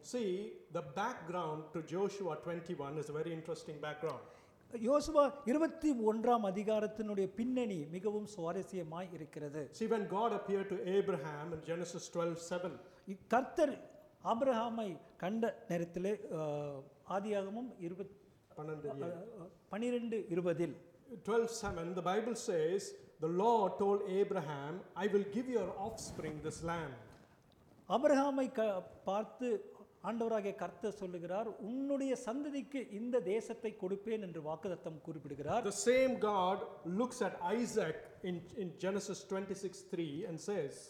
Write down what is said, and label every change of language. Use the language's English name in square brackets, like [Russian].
[English] See the background to Joshua 21 is a very interesting background. [Tamil] யோசுவா 21 அதிகாரத்தினுடைய பின்னணி மிகவும் சுவாரஸ்யமாய் இருக்கிறது. [English] See when God appeared to Abraham in Genesis 12:7. [Tamil] கர்த்தர் ஆபிரகாமை கண்ட நேரத்திலே ஆதியாகமம் 12:20 [English] 12:7 the Bible says the Lord told Abraham, I will give your offspring this land. [Tamil] ஆபிரகாமை பார்த்து ஆண்டவராகிய கர்த்தர் சொல்லுகிறார், உன்னுடைய சந்ததிக்கு இந்த தேசத்தை கொடுப்பேன் என்று வாக்குத்தத்தம் குறிப்பிடுகிறார். [English] The same God looks at Isaac in Genesis 26:3 and says,